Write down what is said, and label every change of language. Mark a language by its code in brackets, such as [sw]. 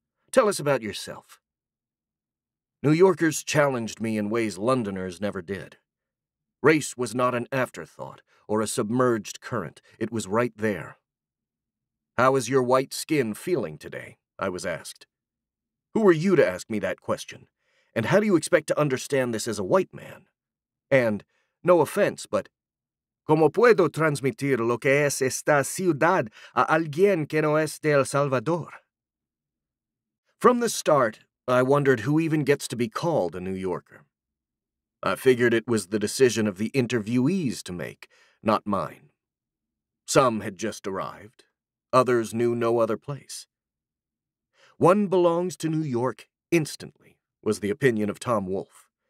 [en] "Tell us about yourself." New Yorkers challenged me in ways Londoners never did. Race was not an afterthought or a submerged current. It was right there. "How is your white skin feeling today?" I was asked. "Who are you to ask me that question? And how do you expect to understand this as a white man? And, no offense, but [es] ¿cómo puedo transmitir lo que es esta ciudad a alguien que no es de El Salvador?" [en] From the start, I wondered who even gets to be called a New Yorker. I figured it was the decision of the interviewees to make, not mine. Some had just arrived. Others knew no other place. "One belongs to New York instantly," was the opinion of Tom Wolfe.